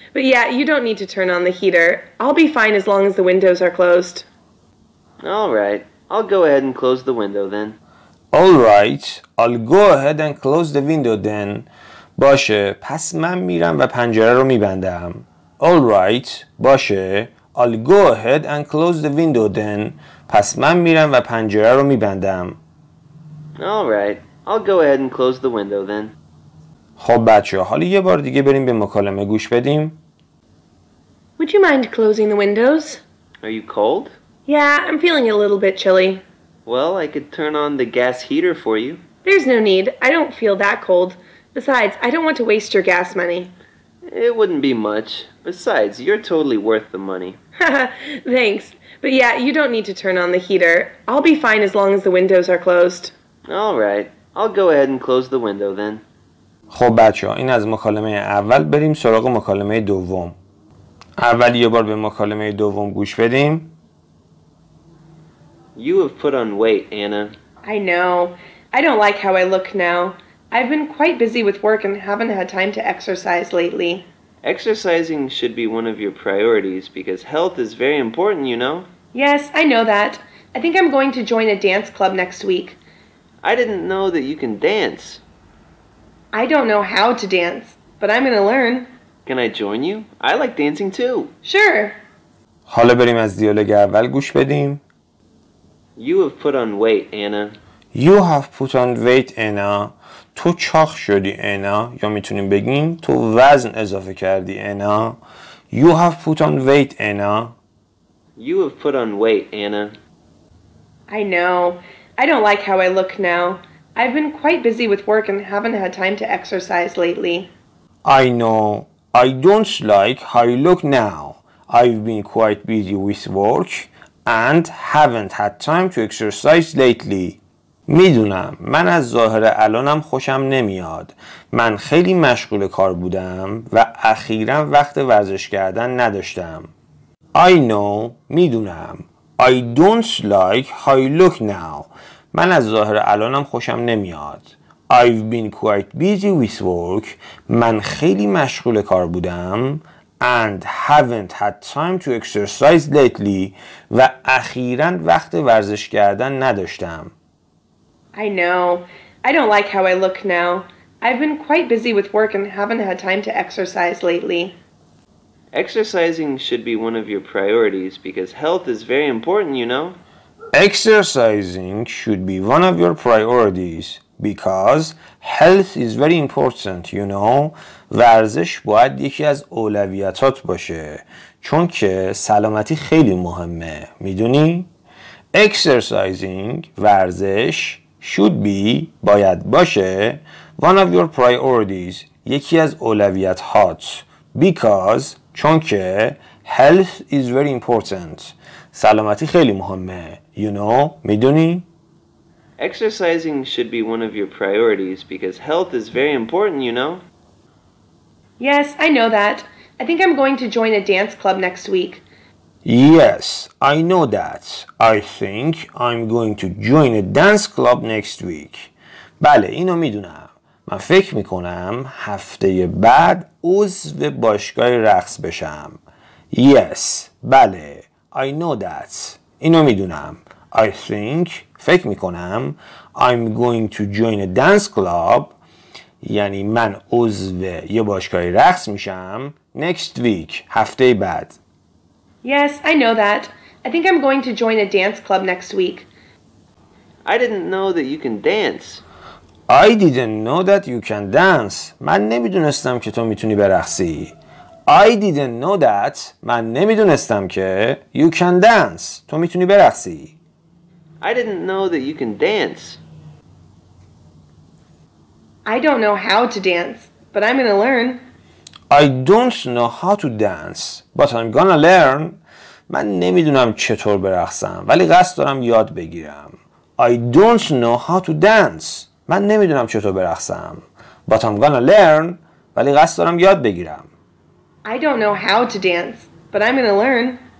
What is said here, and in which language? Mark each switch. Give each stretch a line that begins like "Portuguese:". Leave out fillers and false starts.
English: But yeah, you don't need to turn on the heater. I'll be fine as long as the windows are closed. All right. I'll go ahead and close the window then. All right. I'll go ahead and close the window then.
Persian: باشه. پس من میرم و پنجره رو میبندم.
English: All right.
Persian: باشه.
English: I'll go ahead and close the window then.
Persian: پس من میرم و پنجره رو میبندم.
English: All right. I'll go ahead and close the window then.
Persian: خب بچه ها، حالا یه بار دیگه بریم به مکالمه گوش بدیم.
English: Would you mind closing the windows? Are you cold? Yeah, I'm feeling a little bit chilly. Well, I could turn on the gas heater for you. There's no need. I don't feel that cold. Besides, I don't want to waste your gas money. It wouldn't be much. Besides, you're totally worth the money. Haha, thanks. But yeah, you don't need to turn on the heater. I'll be fine as long as the windows are closed. All right. I'll go ahead and close the window then.
Persian: خب بچه ها، این از مکالمه اول. بریم سراغ مکالمه دوم. اول یه بار به مکالمه دوم گوش بدیم.
English: You have put on weight, Anna. I know. I don't like how I look now. I've been quite busy with work and haven't had time to exercise lately. Exercising should be one of your priorities because health is very important, you know. Yes, I know that. I think I'm going to join a dance club next week. I didn't know that you can dance. I don't know how to dance, but I'm going to learn. Can I join you? I like dancing too. Sure.
Persian: حالا بریم از دیالوگ اول گوش بدیم.
English: You have put on weight, Anna. You have put on weight, Anna.
Persian: تو چاق شدی,
English: Anna.
Persian: یا میتونیم بگیم تو وزن اضافه کردی, Anna.
English: You have put on weight, Anna. You have put on weight, Anna. I know. I don't like how I look now. I've been quite busy with work and haven't had time to exercise lately. I know. I don't like how I look now. I've been quite busy with work and haven't had time to exercise lately.
Persian: میدونم من از ظاهر الانم خوشم نمیاد. من خیلی مشغول کار بودم و اخیراً وقت ورزش کردن نداشتم.
English: I know.
Persian: میدونم.
English: I don't like how I look now.
Persian: من از ظاهر الانم خوشم نمیاد.
English: I've been quite busy with work.
Persian: من خیلی مشغول کار بودم.
English: And haven't had time to exercise lately.
Persian: و اخیراً وقت ورزش کردن نداشتم.
English: I know. I don't like how I look now. I've been quite busy with work and haven't had time to exercise lately. Exercising should be one of your priorities because health is very important, you know. Exercising should be one of your priorities because health is very important, you know.
Persian: ورزش باید یکی از اولویتات باشه چون که سلامتی خیلی مهمه. میدونی؟
English: Exercising,
Persian: ورزش,
English: should be,
Persian: باید باشه,
English: one of your priorities,
Persian: یکی از اولویت‌هات.
English: Because,
Persian: چون که,
English: health is very important.
Persian: سلامتی خیلی مهمه.
English: You know,
Persian: میدونی؟
English: Exercising should be one of your priorities because health is very important, you know? Yes, I know that. I think I'm going to join a dance club next week. Yes, I know that. I think I'm going to join a dance club next week.
Persian: بله, اینو میدونم. من فکر میکنم هفته بعد عضو باشگاه رقص بشم.
English: Yes,
Persian: بله,
English: I know that.
Persian: اینو میدونم.
English: I think,
Persian: فکر میکنم,
English: I'm going to join a dance club,
Persian: یعنی من عضو یه باشگاه رقص میشم,
English: next week,
Persian: هفته بعد.
English: Yes, I know that. I think I'm going to join a dance club next week. I didn't know that you can dance. I didn't know that you can dance.
Persian: من نمیدونستم که تو میتونی برقصی.
English: I didn't know that.
Persian: من نمیدونستم که
English: you can dance.
Persian: تو میتونی برقصی.
English: I didn't know that you can dance. I don't know how to dance, but I'm gonna learn. I don't know how to dance, but I'm gonna learn.
Persian: من نمیدونم چطور برقصم, ولی قصد دارم یاد بگیرم.
English: I don't know how to dance.
Persian: من نمیدونم چطور برقصم,
English: but I'm gonna learn,
Persian: ولی قصد دارم یاد بگیرم.
English: I don't know how to dance, but I'm gonna learn.